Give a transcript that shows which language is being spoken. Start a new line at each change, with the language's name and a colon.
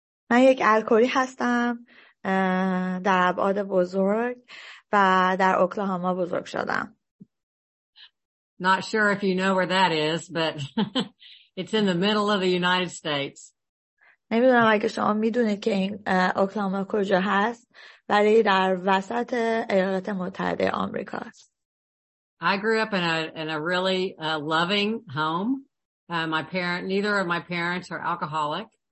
Persian: من یک الکلی هستم در ابعاد بزرگ و در اوکلاهاما بزرگ شدم.
English: Not sure if you know where that is, but it's in the middle of the United States.
Persian: نمیدونم اگه شما میدونید که این اوکلاهاما کجا هست، ولی در وسط ایالات متحده آمریکا است.
English: I grew up in a really loving home. Neither of my parents are alcoholic.